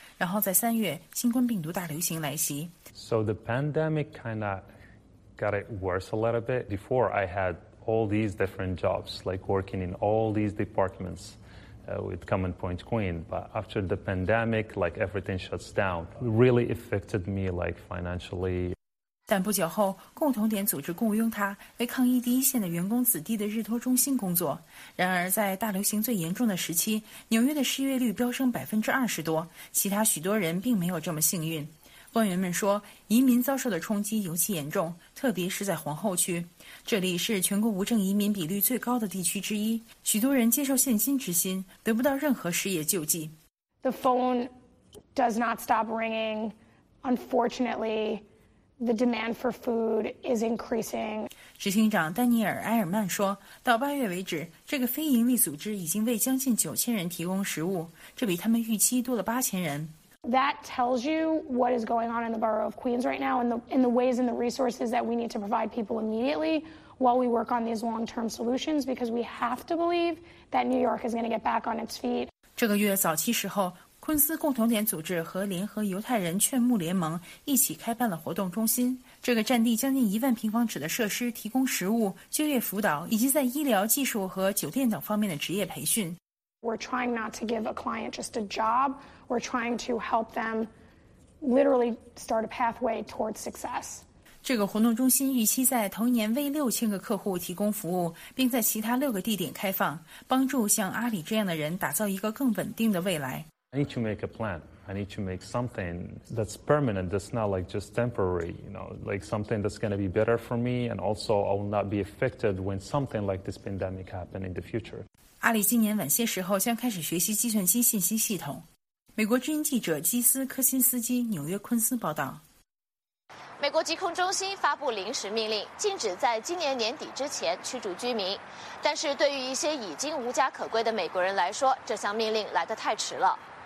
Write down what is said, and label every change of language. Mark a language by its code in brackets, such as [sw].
[zh] 然后在三月，新冠病毒大流行来袭。 [en] So the pandemic kind of got it worse a little bit. Before I had all these different jobs, like working in all these departments, with Common Point Queen. But after the pandemic, like everything shuts down, really affected me like financially. [zh] 但不久后，共同点组织雇佣他为抗疫第一线的员工子弟的日托中心工作。然而，在大流行最严重的时期，纽约的失业率飙升20%多，其他许多人并没有这么幸运。官员们说，移民遭受的冲击尤其严重，特别是在皇后区，这里是全国无证移民比率最高的地区之一，许多人接受现金之心，得不到任何失业救济。 [en] The phone does not stop ringing. Unfortunately, the demand for food is increasing. [zh] 执行长丹尼尔·埃尔曼说，到八月为止，这个非营利组织已经为将近9000人提供食物，这比他们预期多了8000人。 [en] That tells you what is going on in the borough of Queens right now, and the ways and the resources that we need to provide people immediately while we work on these long-term solutions, because we have to believe that New York is going to get back on its feet. [zh] 这个月早期时候，昆斯共同点组织和联合犹太人劝募联盟一起开办了活动中心。这个占地将近10,000平方尺的设施提供食物、就业辅导以及在医疗技术和酒店等方面的职业培训。 [en] We're trying not to give a client just a job. We're trying to help them literally start a pathway towards success. [zh] 这个活动中心预期在同年为6000个客户提供服务，并在其他6个地点开放，帮助像阿里这样的人打造一个更稳定的未来。 [en] I need to make a plan. I need to make something that's permanent, that's not like just temporary, you know, like something that's going to be better for me, and also I will not be affected when something like this pandemic happens in the future. [zh] 阿里今年晚些时候将开始学习计算机信息系统。美国之音记者基斯·科辛斯基，纽约昆斯报道。美国疾控中心发布临时命令，禁止在今年年底之前驱逐居民，但是对于一些已经无家可归的美国人来说，这项命令来得太迟了。